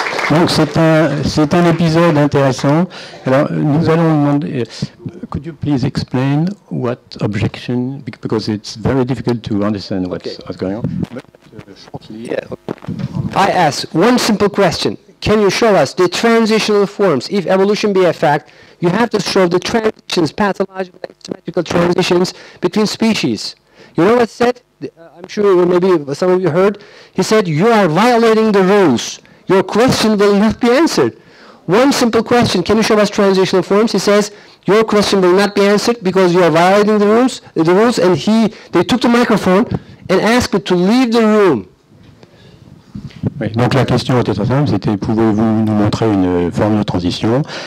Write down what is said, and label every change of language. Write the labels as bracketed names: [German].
[French] Donc c'est un épisode intéressant. Alors nous allons demander. [English] Could you please explain what objection? Because it's very difficult to understand what's going on. I ask one simple question. Can you show us the transitional forms? If evolution be a fact, you have to show the transitions, pathological, symmetrical transitions between species. You know what I said? I'm sure maybe some of you heard. He said, you are violating the rules. Your question will not be answered. One simple question, can you show us transitional forms? He says, your question will not be answered because you are violating the rules. And they took the microphone and asked me to leave the room. [French] Oui, donc la question était très simple, c'était pouvez-vous nous montrer une forme de transition?